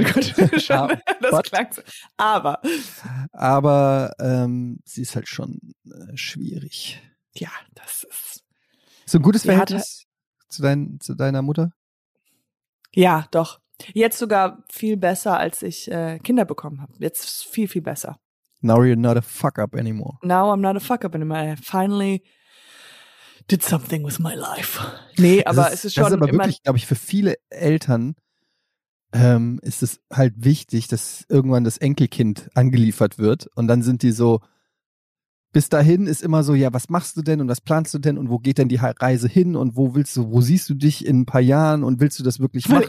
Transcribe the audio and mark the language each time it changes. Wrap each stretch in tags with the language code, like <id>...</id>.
<de>nein, Gott, schon, das klang so. Aber. Aber sie ist halt schon schwierig. Ja, das ist. So ein gutes Verhältnis zu deiner Mutter? Ja, doch. Jetzt sogar viel besser, als ich Kinder bekommen habe. Jetzt viel, viel besser.</de> <en>Now you're not a fuck-up anymore. Now I'm not a fuck-up anymore. I finally did something with my life.</en> <de>Nee, aber ist, es ist schon... Das ist aber wirklich, glaube ich, für viele Eltern ist es halt wichtig, dass irgendwann das Enkelkind angeliefert wird. Und dann sind die so... Bis dahin ist immer so, ja, was machst du denn und was planst du denn und wo geht denn die Reise hin und wo siehst du dich in ein paar Jahren und willst du das wirklich machen?</de>